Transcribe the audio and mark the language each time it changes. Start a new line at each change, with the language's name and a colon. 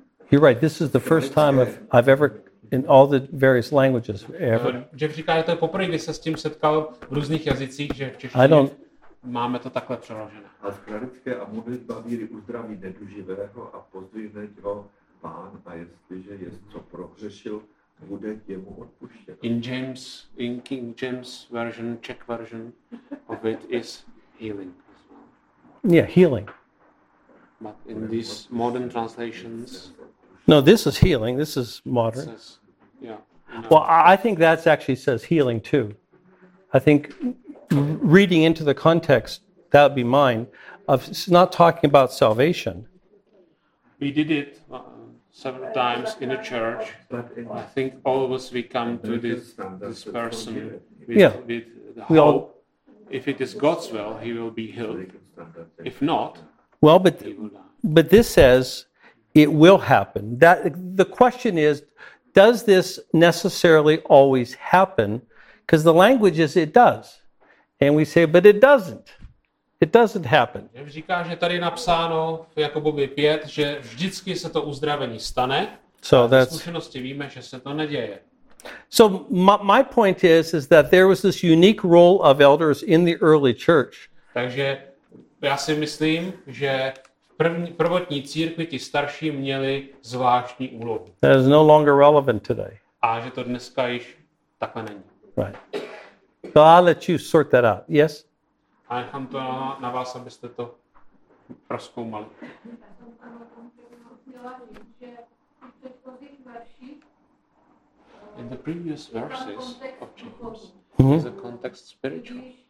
English: You're right. This is the first time I've ever in all the various languages ever.
Czech: Jeff říká, že to je poprvé, kdy se s tím setkal v různých jazycích, že v češtině máme to takhle přeložené. A zkratické a modlitba víry uzdraví neduživého a pozdvihne ho Pán, a jestliže je co prohřešil, bude jemu odpuštěno.
English: In King James version, Czech version of it is healing. Yeah, healing. But in these modern translations. No, this is healing. This is modern. Says, Well, I think that actually says healing too. I think reading into the context, that would be mine, of not talking about salvation. We did it several times in a church. I think all of us, we come to this person with the hope. If it is God's will, he will be healed. If not, he will die. But this says it will happen. That the question is, does this necessarily always happen? Because the language is it does. And we say, but it doesn't. It doesn't happen.
Czech: Říká, že tady je napsáno v Jakubovi 5, že vždycky se to uzdravení stane.
English: So that's...
Czech: V zkušenosti víme, že se to neděje.
English: So my point is that there was this unique role of elders in the early church.
Czech: Takže já si myslím, že prvotní církvi ti starší měli zvláštní úlohu.
English: That is no longer relevant today.
Czech: A že to dneska již takhle není.
English: Right. So I'll let you sort that out. Yes?
Czech: A nechám to na vás, abyste to prozkoumali.
English: In the previous verses of James, is the context spiritual?